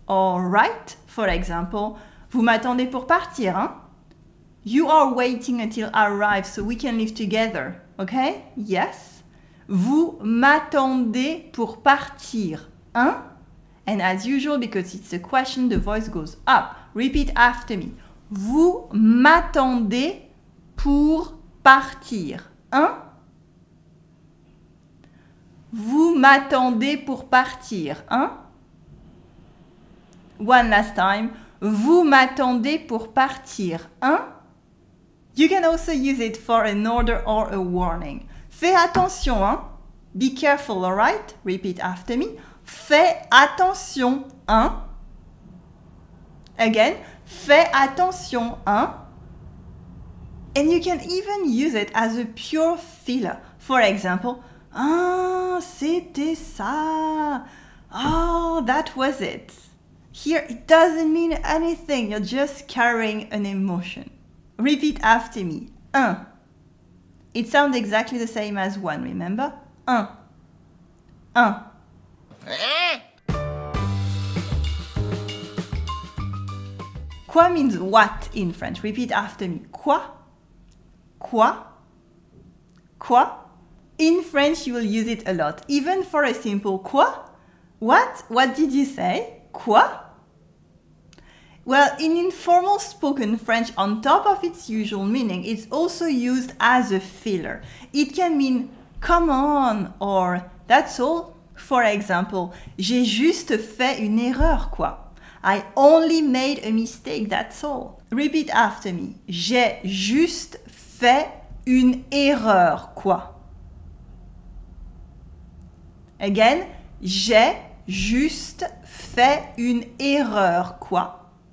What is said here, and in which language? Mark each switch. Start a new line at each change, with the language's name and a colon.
English: Or right, for example,
French: vous m'attendez pour partir, hein?
English: You are waiting until I arrive so we can live together, okay? Yes.
French: Vous m'attendez pour partir, hein?
English: And as usual, because it's a question, the voice goes up. Repeat after me.
French: Vous m'attendez pour partir, hein? Vous m'attendez pour partir, hein?
English: One last time.
French: Vous m'attendez pour partir, hein?
English: You can also use it for an order or a warning.
French: Fais attention, hein?
English: Be careful, all right? Repeat after me.
French: Fais attention, hein? Again, fais attention, hein?
English: And you can even use it as a pure filler. For example,
French: ah, c'était ça.
English: Oh, that was it. Here, it doesn't mean anything. You're just carrying an emotion. Repeat after me. Un. It sounds exactly the same as one, remember? Un. Un. Quoi means what in French? Repeat after me.
French: Quoi? Quoi? Quoi?
English: In French, you will use it a lot, even for a simple quoi? What? What did you say? Quoi? Well, in informal spoken French, on top of its usual meaning, it's also used as a filler. It can mean, come on, or that's all. For example,
French: j'ai juste fait une erreur, quoi.
English: I only made a mistake, that's all. Repeat after me.
French: J'ai juste fait une erreur, quoi. Again, j'ai juste fait une erreur, quoi.